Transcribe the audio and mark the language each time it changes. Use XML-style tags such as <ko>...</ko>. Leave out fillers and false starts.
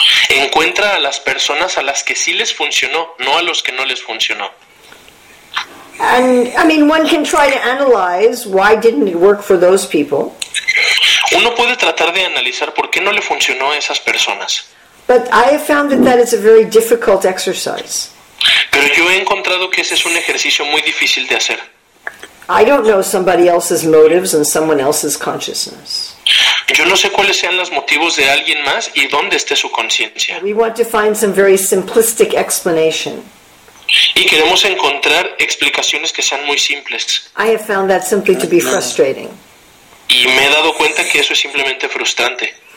<es>Encuentra a las personas a las que sí les funcionó, no a los que no les funcionó.</es> <en>And I mean, one can try to analyze why didn't it work for those people.</en> <es>Uno puede tratar de analizar por qué no le funcionó a esas personas.</es> <en>But I have found that is a very difficult exercise.</en> <es>Pero yo he encontrado que ese es un ejercicio muy difícil de hacer.</es> <en>I don't know somebody else's motives and someone else's consciousness.</en> <es>Yo no sé cuáles sean los motivos de alguien más y dónde esté su conciencia.</es> <en>We want to find some very simplistic explanation.</en> <es>Y queremos encontrar explicaciones que sean muy simples.</es> <en>I have found that simply to be frustrating.</en> <es>Y me he dado cuenta que eso es simplemente frustrante.</es>